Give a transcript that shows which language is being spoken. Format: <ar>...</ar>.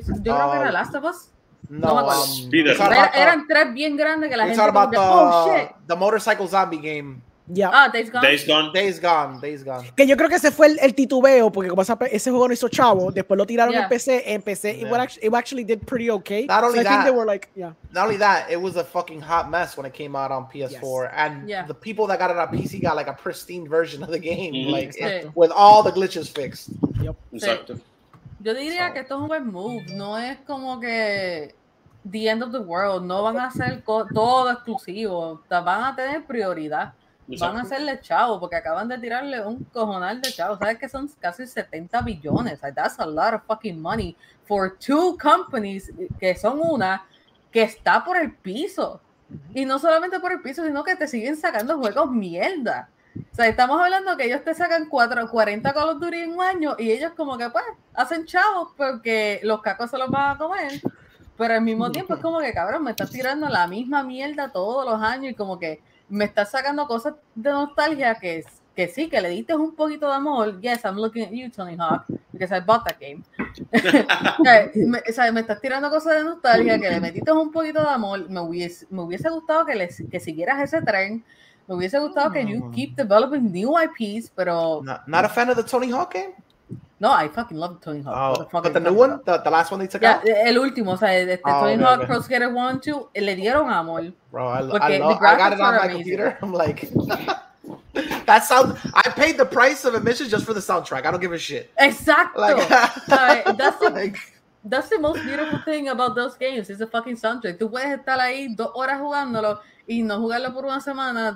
<es>Yo creo que era Last of Us. Eran tres bien grandes que la gente.</es> <en>The motorcycle zombie game. Yeah. Days Gone.</en> <es>Que yo creo que ese fue el titubeo, porque como ese juego no hizo chavo, después lo tiraron en PC,</es> <en>it actually did pretty okay. Not only that, it was a fucking hot mess when it came out on PS4, and the people that got it on PC got like a pristine version of the game, with all the glitches fixed.</en> <es>Yo diría que esto es un buen move, no es como que</es> <en>the end of the world,</en> <es>no van a ser todo exclusivo, van a tener prioridad. Van a hacerle chavo porque acaban de tirarle un cojonal de chavo. Sabes que son casi 70 billones.</es> <en>Like, that's a lot of fucking money for two companies</en> <es>que son una que está por el piso. Y no solamente por el piso, sino que te siguen sacando juegos mierda. O sea, estamos hablando que ellos te sacan 40 Call of Duty en un año y ellos como que pues hacen chavo porque los cacos se los van a comer. Pero al mismo tiempo es como que, cabrón, me estás tirando la misma mierda todos los años y como que me estás sacando cosas de nostalgia que sí, que le diste un poquito de amor.</es> <en>Yes, I'm looking at you, Tony Hawk, because I bought that game.</en> <es>me estás tirando cosas de nostalgia que le metiste un poquito de amor. Me hubiese gustado que siguieras ese tren. Me hubiese gustado que</es> <en>you keep developing new IPs,</en> <es>pero...</es> <en>Not a fan of the Tony Hawk game? No, I fucking love Tony Hawk. The last one they took out?</en> <es>El último, o sea, Tony Hawk, Pro Skater 1, 2, le dieron amor.</es> <en>Bro, I got it on my computer. I'm like, that sound. I paid the price of admission just for the soundtrack. I don't give a shit.</en> <es>Exacto.</es> <en>Like, that's the most beautiful thing about those games. It's a fucking soundtrack.</en> <es>Tú puedes estar ahí 2 horas jugándolo y no jugarlo por una semana.</es>